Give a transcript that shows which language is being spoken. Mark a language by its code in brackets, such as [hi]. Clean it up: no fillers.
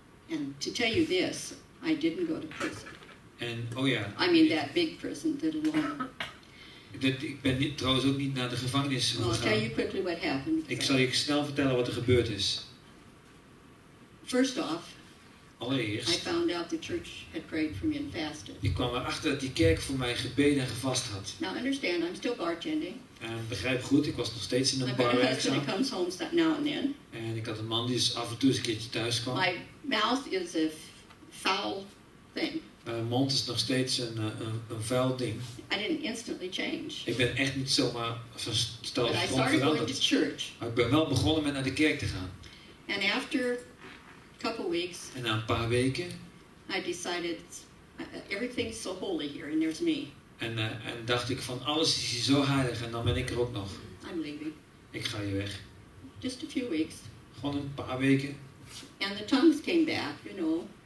[en] And to tell you this, I didn't go to prison. [nl] En oh ja. [en] I mean that big prison, that long. [nl] Ik ben niet, trouwens ook niet naar de gevangenis gegaan. [en] I'll tell you quickly what happened. [nl] Ik zal je snel vertellen wat er gebeurd is. [en] First off. [nl] Allereerst. [en] I found out the church had prayed for me and fasted. [nl] Ik kwam erachter dat die kerk voor mij gebeden en gevast had. [en] Now understand, I'm still bartending. [nl] En begrijp goed, ik was nog steeds in een bar werkzaam. [en] I've got a husband who comes home now and then. [nl] En ik had een man die dus af en toe eens een keertje thuis kwam. [en] My mouth is a foul thing. [nl] Mijn mond is nog steeds een vuil ding. [en] I didn't instantly change. [nl] Ik ben echt niet zomaar van stel veranderd. Maar ik ben wel begonnen met naar de kerk te gaan. [en] And after a couple weeks, [nl] en na een paar weken. [en] I decided everything's so holy here and there's me. [nl] En dacht ik van alles is hier zo heilig en dan ben ik er ook nog. [en] I'm leaving. [nl] Ik ga hier weg. [en] Just a few weeks. [nl] Gewoon een paar weken. [en] And the tongues came back, you know.